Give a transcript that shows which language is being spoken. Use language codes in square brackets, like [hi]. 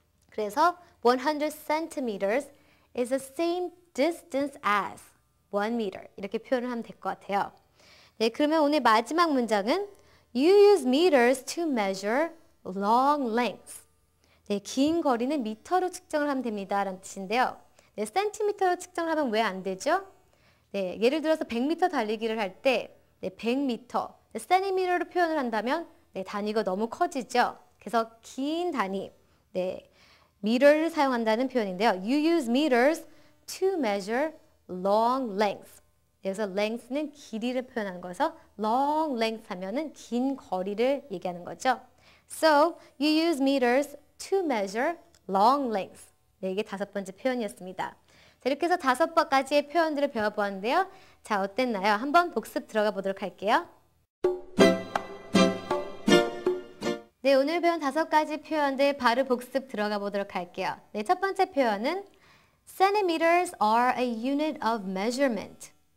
[ko] 그래서 [en] 100cm is the same distance as 1m. [ko] 이렇게 표현을 하면 될 것 같아요. 네, 그러면 오늘 마지막 문장은 [en] You use meters to measure long lengths. [ko] 네, 긴 거리는 미터로 측정을 하면 됩니다. 라는 뜻인데요. 네, centimeter로 측정을 하면 왜 안 되죠? 네, 예를 들어서 100m 달리기를 할 때 네, 100m. 네, centimeter로 표현을 한다면 네, 단위가 너무 커지죠. 그래서 긴 단위, 네, meter를 사용한다는 표현인데요. [en] You use meters to measure long lengths. [ko] 여기서 length는 길이를 표현하는 거죠. long length 하면은 긴 거리를 얘기하는 거죠. [en] So, you use meters to measure long lengths. [ko] 네, 이게 다섯 번째 표현이었습니다. 자, 이렇게 해서 다섯 가지의 표현들을 배워보았는데요. 자, 어땠나요? 한번 복습 들어가 보도록 할게요. 네, 오늘 배운 다섯 가지 표현들 바로 복습 들어가 보도록 할게요. 네, 첫 번째 표현은 [en] centimeters are a unit of measurement.